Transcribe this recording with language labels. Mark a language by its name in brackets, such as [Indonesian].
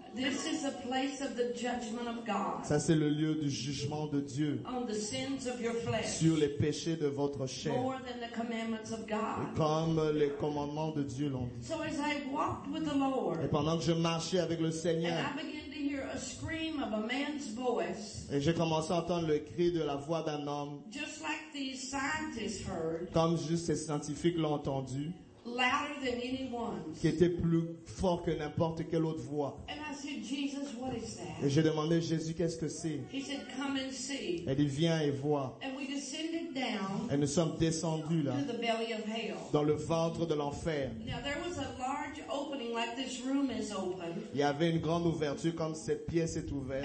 [English] This is a place of the judgment of God. [French] Ça c'est le lieu du jugement de Dieu. [English] On the sins of your flesh. [French] Sur les péchés de votre chair. [English] More than the commandments of God. [French] Comme les commandements de Dieu l'ont dit. [English] So as I walked with the Lord. [French] Et pendant que je marchais avec le Seigneur. [English] And I began to hear a scream of a man's voice. [French] Et j'ai commencé à entendre le cri de la voix d'un homme. [English] Just like these scientists heard. [French] Comme juste ces scientifiques l'ont entendu. [English] Louder than anyone's. [French] Qui était plus fort que n'importe quelle autre voix. [English] And I said, Jesus, what is that? [French] Et j'ai demandé, Jésus, qu'est-ce que c'est? [English] He said, come and see. [French] Elle dit, viens et vois. [English] And we descended down. [French] Et nous sommes descendus là. [English] To the belly of hell. [French] Dans le ventre de l'enfer. [English] Now there was a large opening like this room is open. [French] Il y avait une grande ouverture comme cette pièce est ouverte.